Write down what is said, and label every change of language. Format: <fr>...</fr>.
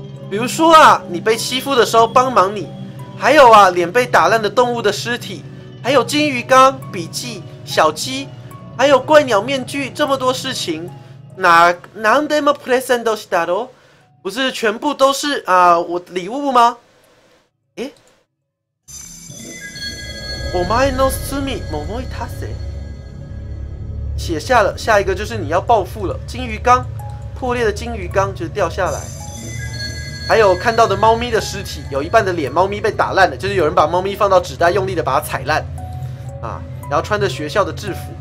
<zh>比如说啊，你被欺负的时候帮忙你，还有啊，脸被打烂的动物的尸体，还有金鱼缸、笔记、小鸡，还有怪鸟面具，这么多事情，</zh> <ja>なんでもプレゼントしたろ？</ja> <zh>不是全部都是啊、我礼物吗？</zh> <ja>诶，お前の罪も思い出せ。</ja> <zh>写下了，下一个就是你要报复了。金鱼缸，破裂的金鱼缸就是掉下来，还有看到的猫咪的尸体，有一半的脸猫咪被打烂了，就是有人把猫咪放到纸袋，用力的把它踩烂啊，然后穿着学校的制服。</zh>